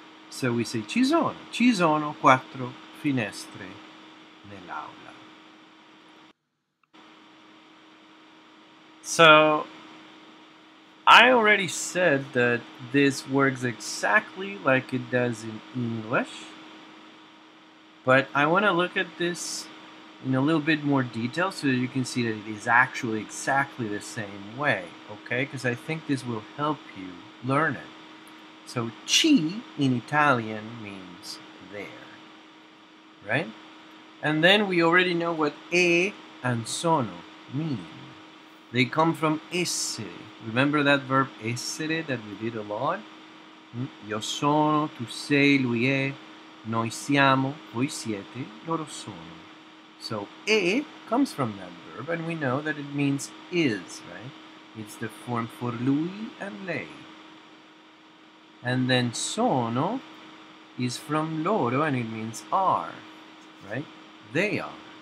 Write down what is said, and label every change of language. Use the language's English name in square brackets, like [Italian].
[Italian] So we say ci sono quattro finestre nell'aula. [English] So, I already said that this works exactly like it does in English, but I want to look at this in a little bit more detail so that you can see that it is actually exactly the same way, okay? Because I think this will help you learn it. So, ci in Italian means there, right? And then we already know what e and sono mean. They come from essere. Remember that verb essere that we did a lot? [Italian] Io sono, tu sei, lui è, noi siamo, voi siete, loro sono. [English] So, è comes from that verb, and we know that it means is, right? It's the form for lui and lei. And then sono is from loro, and it means are, right? They are.